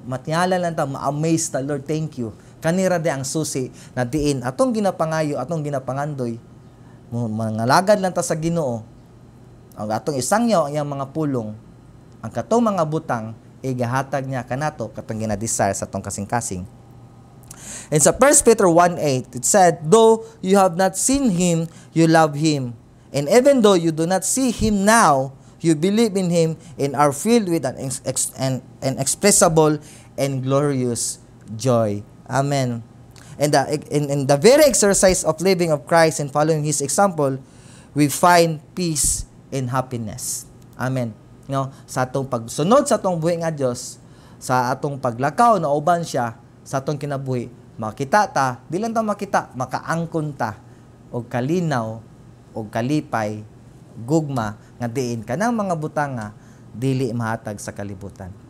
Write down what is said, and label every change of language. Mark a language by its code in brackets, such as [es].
[ceb] Matyala lang ta, ma-amaze ta, Lord, thank you. Kanira di ang susi na diin atong ginapangayo, atong ginapangandoy, mangalagad lang ta sa Ginoo, ang atong isang yaw, ang mga pulong, ang katong mga butang, igahatag niya kanato katong ginadesire sa atong kasing-kasing. [en] And sa 1 Peter 1:8, it said, though you have not seen Him, you love Him. And even though you do not see Him now, you believe in Him and are filled with an inexpressible and glorious joy. Amen. And in the very exercise of living of Christ and following His example, we find peace and happiness. Amen. [ceb] No, sa atong pagsunod sa atong buhi nga Diyos, sa atong paglakaw na uban siya, sa atong kinabuhi, makita ta, di lang ta makita, makaangkon ta, o kalinaw, o kalipay, gugma, nga diin ka ng mga butanga, dili mahatag sa kalibutan.